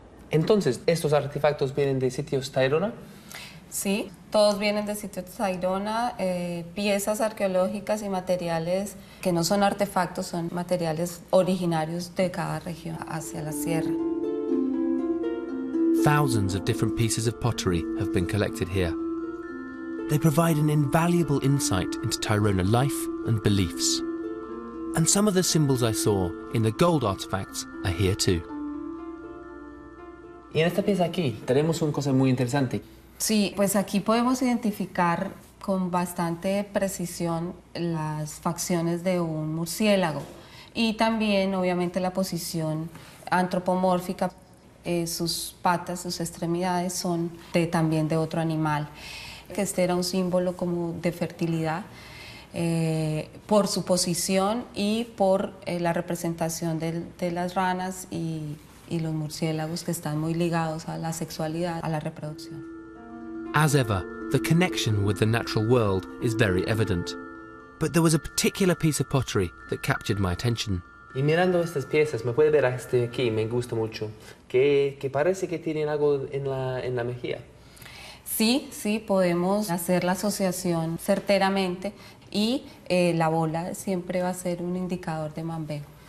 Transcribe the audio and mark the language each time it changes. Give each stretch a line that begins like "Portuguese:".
Spanish: Entonces, ¿estos artefactos vienen de sitios Tairona? Sí, todos vienen de sitios Tairona, piezas arqueológicas y materiales que no son artefactos, son materiales originarios de cada región hacia la sierra.
English: Thousands of different pieces of pottery have been collected here. They provide an invaluable insight into Tairona life and beliefs. And some of the symbols I saw in the gold artifacts are here too.
Spanish: Y en esta pieza aquí tenemos una cosa muy interesante. Sí, pues aquí podemos identificar con bastante precisión las facciones de un murciélago y también, obviamente, la posición antropomórfica. Sus patas, sus extremidades son también de otro animal. Que este era un símbolo como de fertilidad por su posición y por la representación de las ranas y los murciélagos que están muy ligados a la sexualidad, a la reproducción.
English: As ever, the connection with the natural world is very evident. But there was a particular piece of pottery that captured my attention.
Spanish: Y mirando estas piezas, me puede ver este aquí, me gusta mucho, que parece que tienen algo en la mejilla. Sí, sí, podemos hacer la asociación certeramente y la bola siempre va a ser un indicador de mambeo.